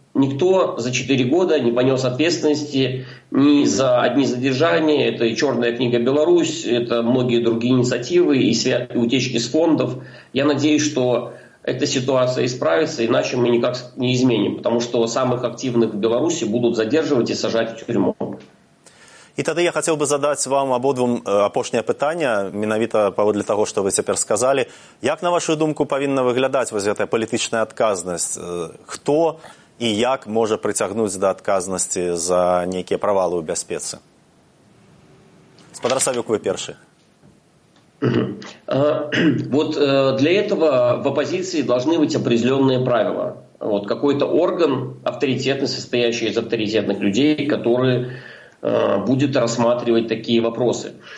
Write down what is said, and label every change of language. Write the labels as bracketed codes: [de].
[ru] никто за 4 года не понес ответственности ни за одни задержания. Это и «Черная книга Беларусь», это многие другие инициативы и утечки с фондов. Я надеюсь, что эта ситуация исправится, иначе мы никак не изменим. Потому что самых активных в Беларуси будут задерживать и сажать в тюрьму. [be] І тады я хацеў бы задаць вам абодвум апошняе пытанне, менавіта паводле таго, што вы цяпер сказалі. Як, на вашу думку, павінна выглядаць вось гэтая палітычная адказнасць? Хто і як можа прыцягнуць да адказнасці за нейкія правалы ў бяспецы? Спадар Савюк, вы першы. [ru] Вот для этого в оппозиции должны быть определенные правила. Вот какой-то орган авторитетный, состоящий из авторитетных людей, которые будет рассматривать такие вопросы.